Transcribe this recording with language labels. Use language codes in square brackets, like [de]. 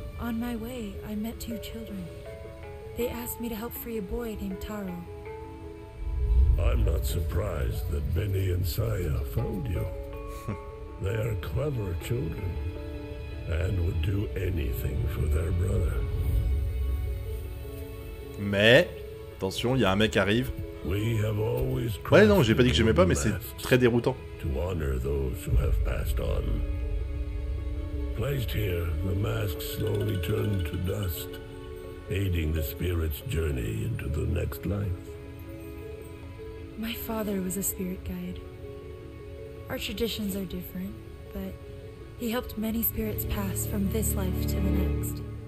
[en] On my way, I met two children. They asked me to help free a boy named Taro. I'm not surprised that Benny and Saya found you. They are clever children and would do anything for their brother. [fr] Mais attention, il y a un mec qui arrive. Ouais, non, j'ai pas dit que j'aimais pas, mais c'est très déroutant. [en] To honor those who have passed on. Placed here, the mask slowly turned to dust, aiding the spirit's journey into the next life. My father was a spirit guide. Our traditions are different, but he helped many spirits pass from this life to the next.